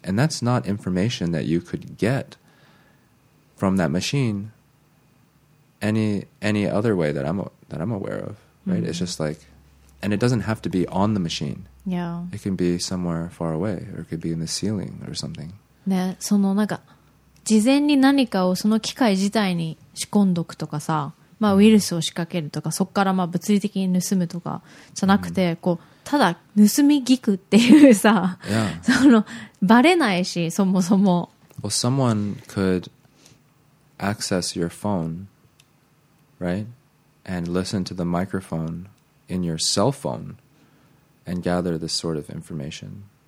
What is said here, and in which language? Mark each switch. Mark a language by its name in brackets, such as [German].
[English] And that's not information that you could get from that machine any other way that I'm aware of, right? Mm-hmm. It's just like, and it doesn't have to be on the machine. Yeah. It can be somewhere far away, or it could be in the ceiling or something. [Japanese] ね、そのなんか事前に何かをその機械自体に仕込んどくとかさ、まあウイルスを仕掛けるとか、そこからまあ物理的に盗むとかじゃなくて、mm-hmm. こうただ盗み聞くっていうさ、 [English] yeah. [Japanese] そのバレないし、そもそも。 [English] Well, someone could access your phone, right, and listen to the microphone in your cell phone and gather this sort of information.